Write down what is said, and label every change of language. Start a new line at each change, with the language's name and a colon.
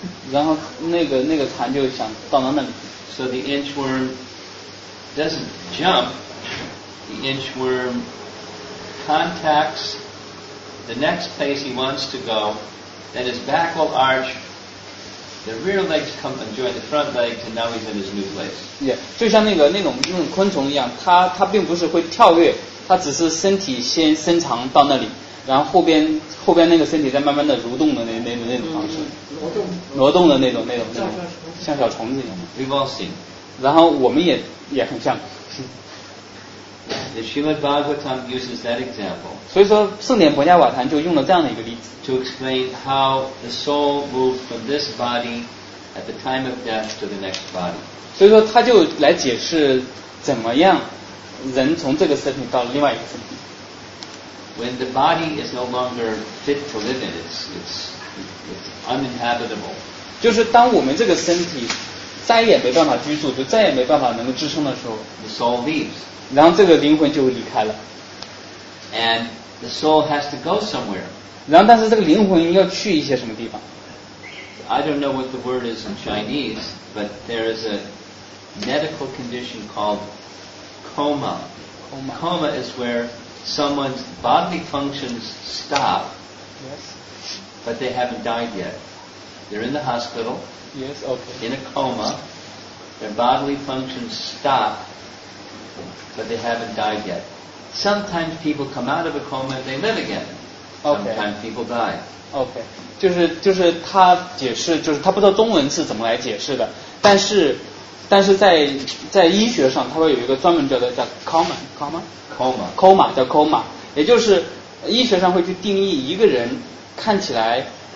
Chinese: 然后那个蚕就想到那里。
English: So the inchworm doesn't jump. The inchworm contacts the next place he wants to go. Then his back will arch. The rear legs come and join the front legs, and now he's in his new place.
Chinese: Yeah, 就像那种昆虫一样，它并不是会跳跃。它只是身体先伸长到那里，然后后边那个身体再慢慢的蠕动的那种方式，挪动的那种像小虫子一样。
English: Revolving。
Chinese: 然后我们也很像。
English: The Srimad Bhagavatam uses that example.
Chinese: 所以说，圣典博伽瓦坛就用了这样的一个例子。
English: To explain how the soul moves from this body at the time of death to the next body.
Chinese: 所以说，他就来解释怎么样。人从这个身体到另外一个身体。
English: When the body is no longer fit to live in, it's uninhabitable.
Chinese: 就是当我们这个身体再也没办法居住，就再也没办法能够支撑的时候
English: ，the soul leaves.
Chinese: 然后这个灵魂就离开了。
English: And The soul has to go somewhere.
Chinese: 然后但是这个灵魂要去一些什么地方。
English: I don't know what the word is in Chinese, but there is a medical condition called coma. Coma, coma is where someone's bodily functions stop. Yes. But they haven't died yet. They're in the hospital. Yes, okay. In a coma. Their bodily functions stop, but they haven't died yet. Sometimes people come out of a coma and they live again. Okay. Sometimes people die. Okay.
Chinese: 就是他解释，就是他不知道中文是怎么来解释的，但是在医学上，他会有一个专门叫 coma 叫 coma， 也就是医学上会去定义一个人看起来